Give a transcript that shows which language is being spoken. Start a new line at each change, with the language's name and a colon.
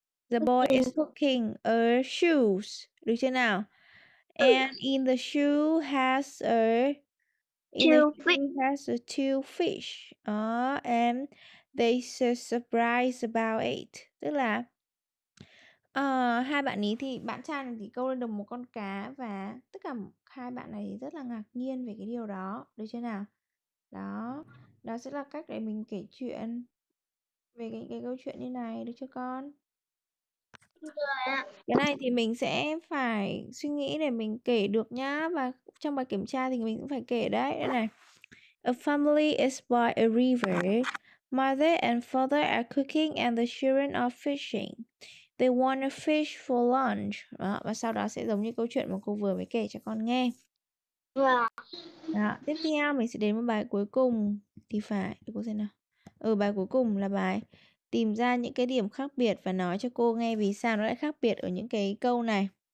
English: The boy is hooking a shoes.
Vietnamese: Được chưa nào?
English: And in the shoe has a two fish. And they are surprised about it.
Vietnamese: Tức là hai bạn ý thì bạn trai này thì câu lên được một con cá và tất cả hai bạn này rất là ngạc nhiên về cái điều đó. Được chưa nào? Đó. Đó sẽ là cách để mình kể chuyện về cái câu chuyện như này. Được chưa con? Cái này thì mình sẽ phải suy nghĩ để mình kể được nhá. Và trong bài kiểm tra thì mình cũng phải kể đấy. Đây này.
English: A family is by a river. Mother and father are cooking and the children are fishing. They want a fish for lunch.
Vietnamese: Đó, và sau đó sẽ giống như câu chuyện mà cô vừa mới kể cho con nghe. Đó, tiếp theo mình sẽ đến một bài cuối cùng. Thì phải, để cô xem nào. Bài cuối cùng là bài tìm ra những cái điểm khác biệt và nói cho cô nghe vì sao nó lại khác biệt ở những cái câu này.